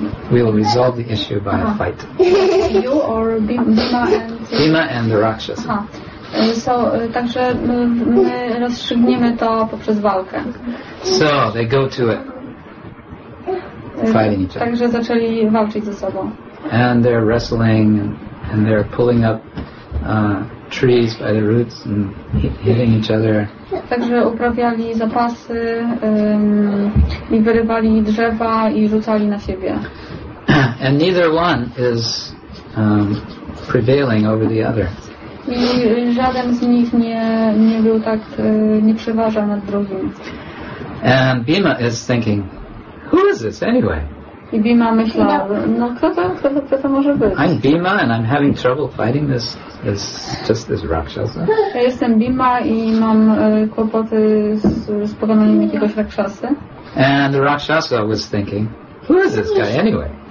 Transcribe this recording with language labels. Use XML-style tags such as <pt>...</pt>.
<en>We'll resolve the issue by a fight. You or Bhima and... Bhima and the Rakshasa.</en> <pl>Także my rozstrzygniemy to poprzez walkę.</pl> <en>So, they go to it. Fighting each other.</en> <pl>Także zaczęli walczyć ze sobą.</pl> <en>And they're wrestling and they're pulling up trees by the roots and hitting each other.</en> <pl>Także uprawiali zapasy i wyrywali drzewa i rzucali na siebie.</pl> <en>And neither one is prevailing over the other.</en> <pl>I żaden z nich nie był tak, nie przeważa nad drugim.</pl> <en>And Bhima is thinking, who is this anyway?</en> <pl>I Bhima myślał, no kto to może być?</pl> <en>I'm Bhima and I'm having trouble fighting this Rakshasa.</en> <pl>Ja jestem Bhima i mam kłopoty z pokonaniem jakiegoś Rakshasy.</pl> <en>And the Rakshasa was thinking, who is this guy anyway?</en>